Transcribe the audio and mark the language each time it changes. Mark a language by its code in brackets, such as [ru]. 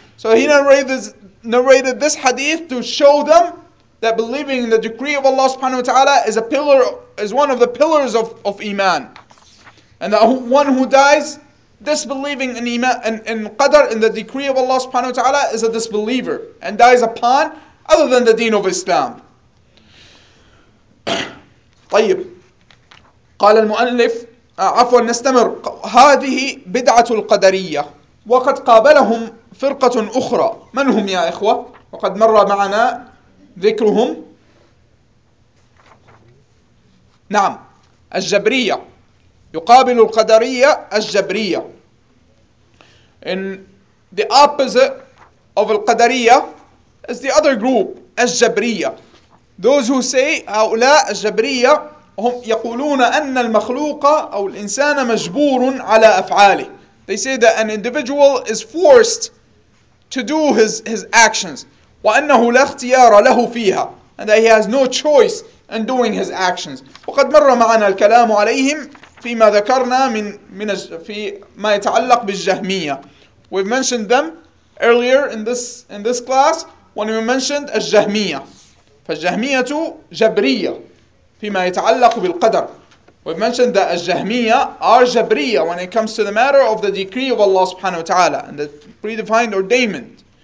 [en] So he narrated this hadith to show them that believing in the decree of Allah subhanahu wa ta'ala is a pillar, is one of the pillars of Iman. And that one who dies disbelieving in Iman in Qadr, in the decree of Allah subhanahu wa ta'ala, is a disbeliever and dies upon other than the deen of Islam. [ar] طيب قال المؤلف عفوا نستمر هذه بدعة القدرية وقد قابلهم فرقة أخرى. من هم يا إخوة؟ وقد مر معنا ذكرهم. نعم الجبرية يقابل القدرية الجبرية. [en] In the opposite of القدرية is the other group الجبرية. Those who say [ar] هؤلاء الجبرية هم يقولون أن المخلوق أو الإنسان مجبور على أفعاله. [en] They say that an individual is forced to do his actions. [ar] وأنه لا اختيار له فيها. [en] And that he has no choice in doing his actions. [ar] وقد مر معنا الكلام عليهم فيما ذكرنا من في ما يتعلق بالجهمية. [en] We've mentioned them earlier in this class when we mentioned الجهمية. [ar] فالجهمية جبرية فيما يتعلق بالقدر. [en] We've mentioned that al-jahmiyya are jabriya when it comes to the matter of the decree of Allah subhanahu wa ta'ala and the predefined ordainment.